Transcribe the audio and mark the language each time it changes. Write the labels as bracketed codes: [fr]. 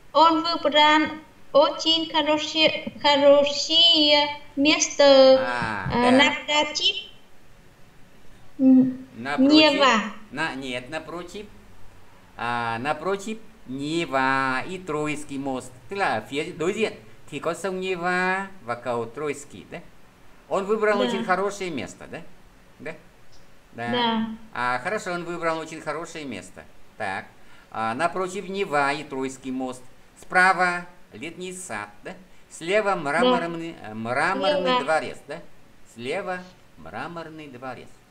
[ru] Выбран очень хорошее место А, да. напротив Напротив. Нева. На, нет, напротив. А, напротив Нева и Троицкий мост. [vi] Tức là phía đối diện thì có sông Нева và cầu Троицкий, да? [ru] Он выбрал очень хорошее место, да? Да? Да. Да. А, хорошо, он выбрал очень хорошее место. Так. А, напротив Нева и Троицкий мост. Справа летний сад, да? Слева Да. мраморный Лева. дворец, да? Слева мраморный дворец.